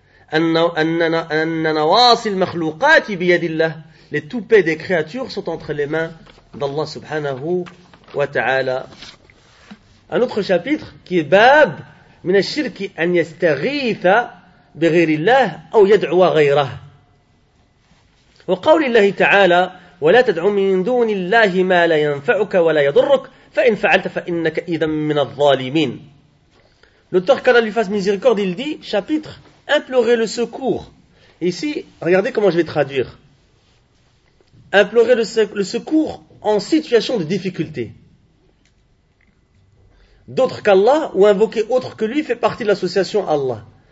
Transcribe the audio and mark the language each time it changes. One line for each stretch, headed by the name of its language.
Arabic: Anna nawasil makhlouqati biyadillah.
French: Les toupets des créatures sont entre les mains d'Allah
Arabic: subhanahu wa ta'ala.
French: Un autre chapitre qui est
Arabic: Bab, min ash-shirki an yastaghitha بغير الله أو يدعو غيره. وقول الله تعالى ولا تدع من دون الله ما لا ينفعك ولا يضرك فإن فعلت فإنك إذا من الظالمين.
French: L'auteur Canal du Fas Miséricorde, il dit, chapitre, implorer le secours. Ici, regardez comment je vais traduire. Implorer le secours en situation de difficulté. D'autre qu'Allah ou invoquer autre que lui fait partie de l'association Allah.